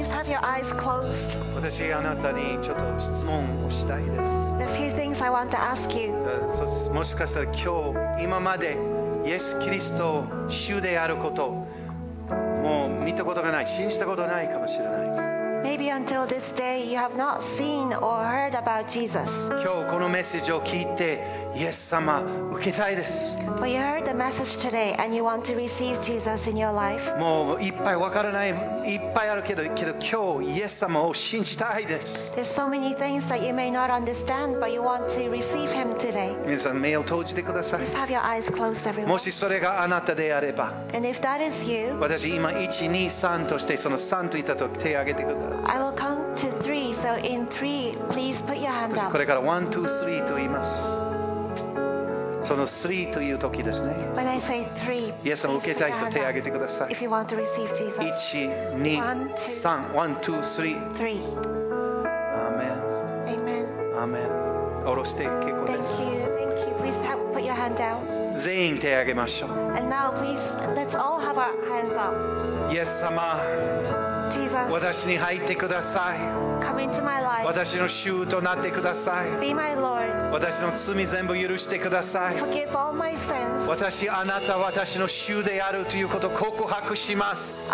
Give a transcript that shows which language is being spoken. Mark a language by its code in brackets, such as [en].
[ja] 私あなたにちょっと質問をしたいです。 [en] A few things I want to ask you. [ja] もしかしたら今日今までイエス・キリスト主であることもう見たことがない、信じたことないかもしれない。 [en] Maybe until this day you have not seen or heard about Jesus. [ja] 今日このメッセージを聞いてイエス様受けたいです。 [en] But you heard the message today and you want to receive Jesus in your life. [ja] もういっぱいわからない、いっぱいあるけど今日イエス様を信じたいです。 [en] There's so many things that you may not understand, but you want to receive Him today. [ja] 皆さん目を閉じてください。 [en] Please have your eyes closed, everyone. [ja] もしそれがあなたであれば。 [en] And if that is you. [ja] 私今一、二、三としてその三と言ったと手を挙げてください。 [en] I will count to three, so in three, please put your hand up. [ja] これから [en] one, two, three [ja] と言います。その3という時ですね。 [en] When I say three, [ja] イエス様を受けたい人手を挙げてください。 [en] If you want to receive Jesus. [ja] 1、2、3。 1、2、3。 3。アーメン。アーメン。下ろして結構です。 [en] Thank you. Thank you. Please help put your hand down. [ja] 全員手を挙げましょう。 [en] And now please, let's all have our hands up. [ja] イエス様。 [en] Jesus. [ja] 私に入ってください。 [en] Come into my life. [ja] 私の主となってください。 [en] Be my Lord. [ja] 私の罪全部許してください。 [en] Forgive all my sins. [ja] 私あなた私の主であるということを告白します。